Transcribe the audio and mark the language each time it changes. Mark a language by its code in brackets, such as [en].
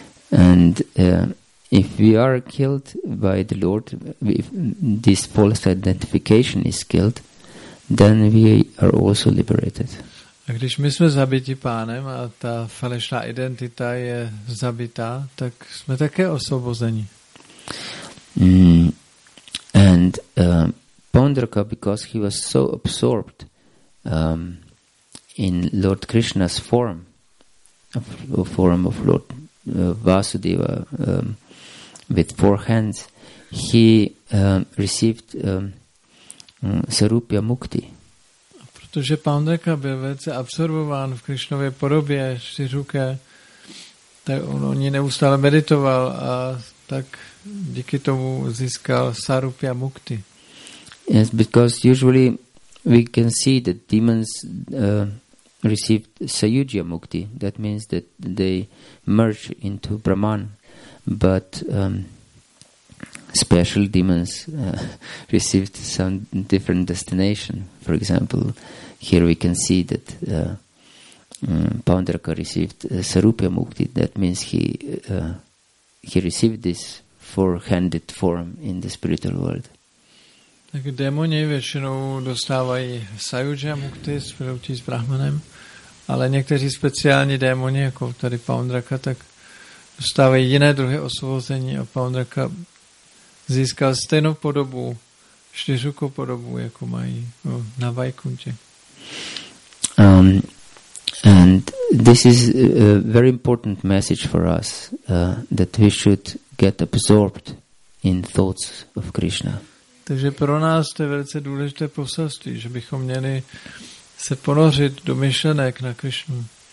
[en] And if we are killed by the Lord, if this false identification is killed, then we are also liberated. [cs] A když my jsme zabiti pánem a ta falešná identita je zabita, tak jsme také osvobozeni. [en] And Pandraka, because he was so absorbed in Lord Krishna's form of Lord Vasudeva with four hands, he received sarupya mukti. [cs] Protože Pandraka byl velice absorbován v Krišnově podobě čtyřruké, tak on o ní neustále meditoval a tak díky tomu získal sarupya mukti. [en] Yes, because usually we can see that demons received sayujya mukti, that means that they merge into Brahman, but special demons received some different destination. For example, here we can see that Pandraka received sarupya mukti, that means he received this four-handed form in the spiritual world. [cs] Tak démoni většinou dostávají sayujya mukti, spojení s Brahmanem, ale někteří speciální démoni, jako tady Pandraka, tak dostávají jiné druhy osvobození a Pandraka získal stejnou podobu, čtyřrukou podobu, jako mají na Vaikuntě. [en] And this is a very important message for us, that we should get absorbed in thoughts of Krishna. [cs] Takže pro nás to je velice důležité poselství, že bychom měli se ponořit do myšlenek na Krishnu.